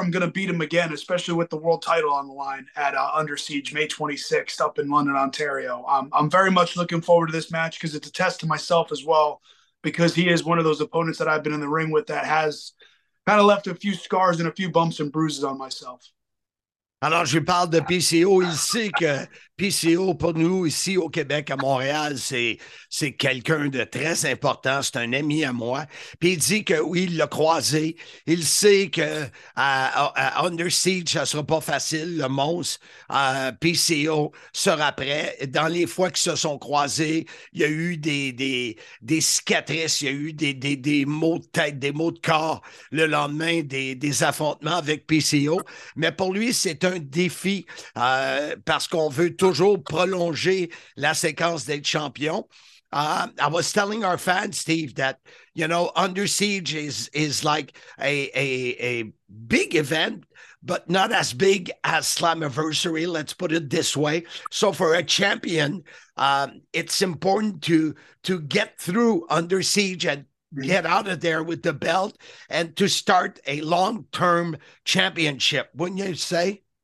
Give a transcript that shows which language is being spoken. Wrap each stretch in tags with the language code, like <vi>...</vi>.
<en>I'm going to beat him again, especially with the world title on the line at Under Siege May 26th up in London, Ontario. I'm very much looking forward to this match because it's a test to myself as well, because he is one of those opponents that I've been in the ring with that has kind of left a few scars and a few bumps and bruises on myself.</en> <fr>Alors, je parle de PCO. Il sait que PCO, pour nous, ici au Québec, à Montréal, c'est quelqu'un de très important. C'est un ami à moi. Puis il dit que oui, il l'a croisé. Il sait que à Under Siege, ça sera pas facile. Le monstre, PCO sera prêt. Dans les fois qu'ils se sont croisés, il y a eu des cicatrices, il y a eu des maux de tête, des maux de corps le lendemain, des affrontements avec PCO. Mais pour lui, c'est un défi parce qu'on veut toujours prolonger la séquence d'être champion.</fr> <en>I was telling our fans, Steve, that, you know, Under Siege is like a big event, but not as big as Slammiversary, let's put it this way. So for a champion, it's important to get through Under Siege and get out of there with the belt and to start a long-term championship, wouldn't you say?</en>